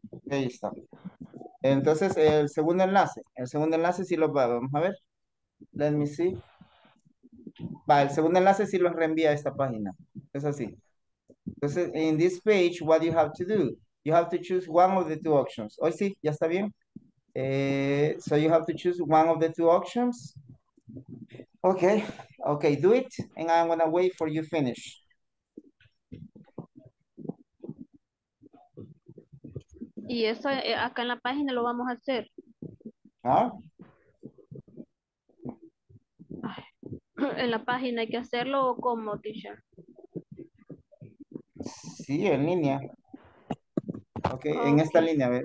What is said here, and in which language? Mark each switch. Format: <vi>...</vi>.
<es>Ahí está. Entonces, el segundo enlace. El segundo enlace sí lo va. Vamos a ver.</es> <en>Let me see.</en> <es>Va, el segundo enlace sí lo reenvía a esta página. Es así.</es> <en>Entonces, in this page, what you have to do? You have to choose one of the two options. Oh,</en> <es>sí, ya está bien.</es> <en>So you have to choose one of the two options. Okay. Okay, do it. And I'm gonna wait for you to finish.</en> <es>Y eso acá en la página lo vamos a hacer. ¿Ah? ¿En la página hay que hacerlo o como teacher? Sí, en línea. Okay, en esta línea.</es>